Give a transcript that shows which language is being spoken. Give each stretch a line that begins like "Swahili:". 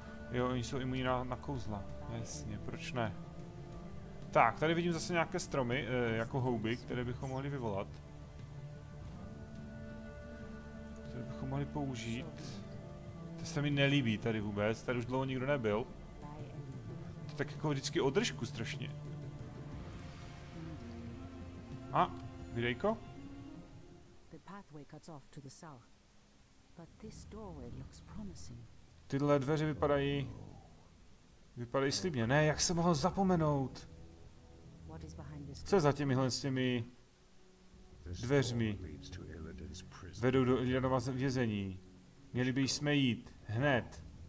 Czech: Jo, oni jsou imunní na kouzla. Jasně, proč ne? Tak, tady vidím zase nějaké stromy, jako houby, které bychom mohli vyvolat. Které bychom mohli použít. To se mi nelíbí tady vůbec, tady už dlouho nikdo nebyl. tak jako vždycky održku strašně. A, videjko?
English: The pathway cuts off to the south. But this doorway looks promising.
Czech: Tyhle dveře vypadají... Vypadají slibně. Ne, jak jsem mohl zapomenout? Co je za těmihle s těmi... dveřmi? Vedou do Illidanova vězení. Měli by jsme jít. Hned.